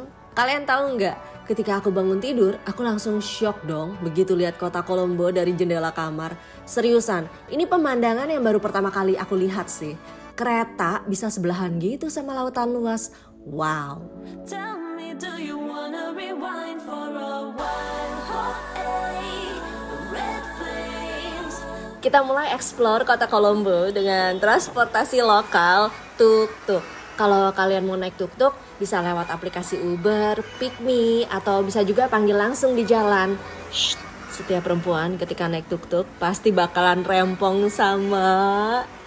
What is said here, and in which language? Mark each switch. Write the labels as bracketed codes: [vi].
[id] Kalian tahu nggak, ketika aku bangun tidur, aku langsung shock dong begitu lihat kota Kolombo dari jendela kamar. Seriusan, ini pemandangan yang baru pertama kali aku lihat sih. Kereta bisa sebelahan gitu sama lautan luas. Wow. [en] Tell me, do you wanna rewind for a while? [id] Kita mulai explore kota Kolombo dengan transportasi lokal, tuk-tuk. Kalau kalian mau naik tuk-tuk, bisa lewat aplikasi Uber, PickMe, atau bisa juga panggil langsung di jalan. Shh, setiap perempuan ketika naik tuk-tuk pasti bakalan rempong sama...